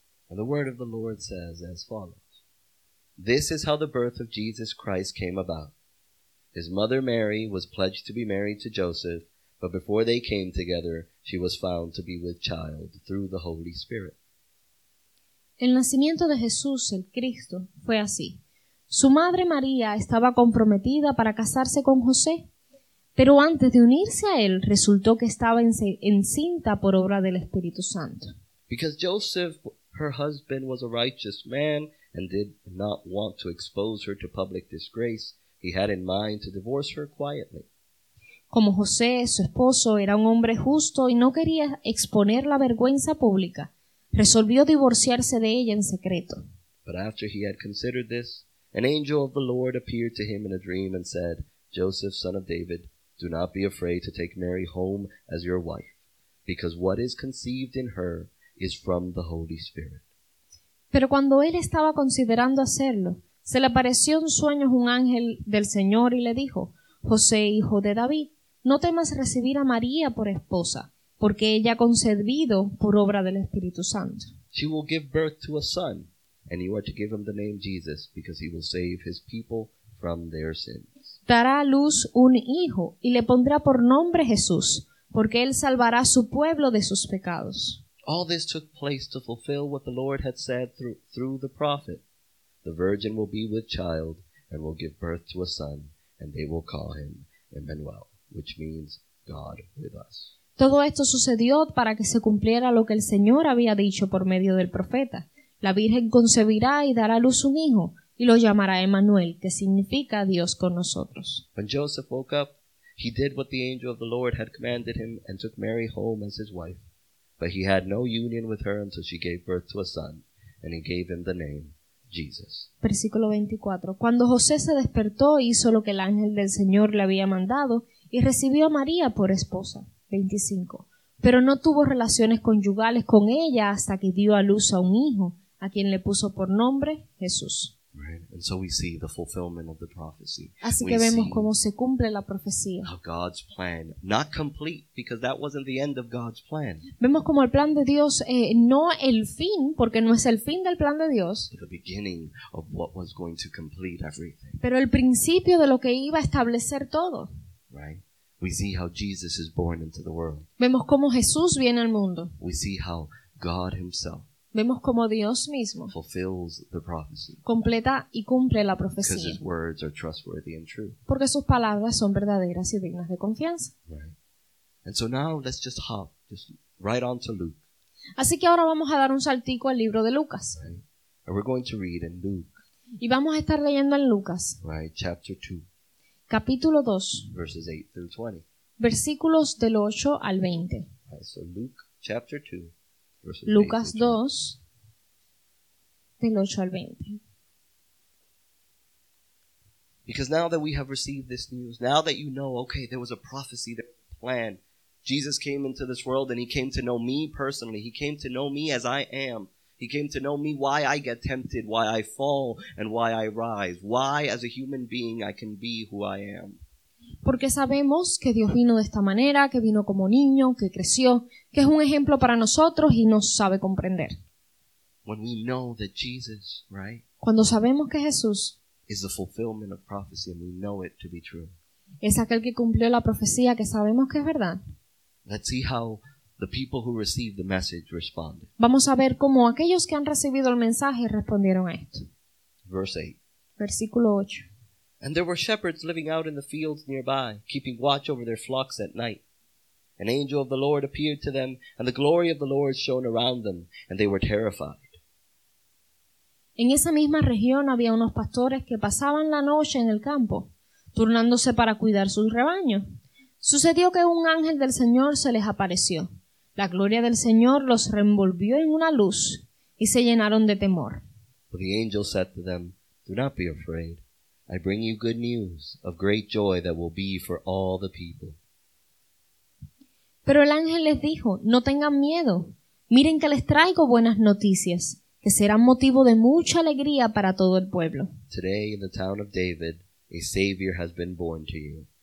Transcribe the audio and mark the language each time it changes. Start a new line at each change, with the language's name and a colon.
English: And the word of the Lord says as follows. This is how the birth of Jesus Christ came about. His mother Mary was pledged to be married to Joseph, but before they came together, she was found to be with child through the Holy Spirit.
Spanish: El nacimiento de Jesús, el Cristo, fue así. Su madre María estaba comprometida para casarse con José, pero antes de unirse a él, resultó que estaba encinta por obra del Espíritu Santo.
English: Because Joseph, her husband, was a righteous man and did not want to expose her to public disgrace, he had in mind to divorce her quietly.
Spanish: Como José, su esposo, era un hombre justo y no quería exponer la vergüenza pública, resolvió divorciarse de ella en secreto.
English: But after he had considered this, an angel of the Lord appeared to him in a dream and said, Joseph, son of David, do not be afraid to take Mary home as your wife, because what is conceived in her is from the Holy Spirit.
Spanish: Pero cuando él estaba considerando hacerlo, se le apareció en sueños un ángel del Señor y le dijo, José, hijo de David, no temas recibir a María por esposa, porque ella ha concebido por obra del Espíritu Santo.
English: She will give birth to a son, and you are to give him the name Jesus, because he will save his people from their sins.
Spanish: Dará a luz un hijo, y le pondrá por nombre Jesús, porque él salvará a su pueblo de sus pecados.
English: All this took place to fulfill what the Lord had said through the prophet. The virgin will be with child, and will give birth to a son, and they will call him Emmanuel, which means God with us.
Spanish: Todo esto sucedió para que se cumpliera lo que el Señor había dicho por medio del profeta. La Virgen concebirá y dará a luz un hijo, y lo llamará Emmanuel, que significa Dios con nosotros.
English: When Joseph woke up, he did what the angel of the Lord had commanded him and took Mary home as his wife. But he had no union with her until she gave birth to a son, and he gave him the name Jesus.
Spanish: Versículo 24. Cuando José se despertó, hizo lo que el ángel del Señor le había mandado y recibió a María por esposa. 25. Pero no tuvo relaciones conyugales con ella hasta que dio a luz a un hijo, a quien le puso por nombre Jesús.
English: Right. And so we see the fulfillment of the prophecy.
Spanish: Así
English: we
Spanish: que vemos cómo se cumple la profecía.
English: How God's plan, not complete, because that wasn't the end of God's plan.
Spanish: Vemos como el plan de Dios, no el fin, porque no es el fin del plan de Dios.
English: The beginning of what was going to complete everything.
Spanish: Pero el principio de lo que iba a establecer todo.
English: Right. We see how Jesus is born into the world.
Spanish: Vemos cómo Jesús viene al mundo.
English: We see how God himself.
Spanish: Vemos como Dios mismo
English: fulfills the prophecy.
Spanish: Completa y cumple la profecía.
English: Because his words are trustworthy and true.
Spanish: Porque sus palabras son verdaderas y dignas de confianza.
English: Right. And so now let's just hop just right on to Luke.
Spanish: Así que ahora vamos a dar un saltico al libro de Lucas.
English: Right. And we're going to read in Luke.
Spanish: Y vamos a estar leyendo en Lucas.
English: Right. Chapter 2.
Spanish: Capítulo 2.
English: Verses 8 through 20.
Spanish: Versículos del 8 al 20.
English: Right. So Luke chapter 2.
Spanish: Lucas 2, del 8 al 20.
English: Because now that we have received this news, now that you know, okay, there was a prophecy, there was a plan. Jesus came into this world and he came to know me personally. He came to know me as I am. He came to know me why I get tempted, why I fall, and why I rise. Why, as a human being, I can be who I am.
Spanish: Porque sabemos que Dios vino de esta manera, que vino como niño, que creció, que es un ejemplo para nosotros y nos sabe comprender.
English: When we know that Jesus, right,
Spanish: cuando sabemos que Jesús
English: is the fulfillment of prophecy and we know it to be true,
Spanish: es aquel que cumplió la profecía que sabemos que es verdad.
English: Let's see how the people who received the message responded.
Spanish: Vamos a ver cómo aquellos que han recibido el mensaje respondieron a esto.
English: Verse 8.
Spanish: Versículo 8.
English: And there were shepherds living out in the fields nearby, keeping watch over their flocks at night. An angel of the Lord appeared to them, and the glory of the Lord shone around them, and they were terrified.
Spanish: En esa misma región había unos pastores que pasaban la noche en el campo, turnándose para cuidar sus rebaños. Sucedió que un ángel del Señor se les apareció. La gloria del Señor los reenvolvió en una luz, y se llenaron de temor.
English: But the angel said to them, "Do not be afraid. I bring you good news of great joy that will be for all the people."
Spanish: Pero el ángel les dijo, no tengan miedo. Miren que les traigo buenas noticias, que serán motivo de mucha alegría para todo el pueblo.
English: Today in the town of David, a Savior has been born to you.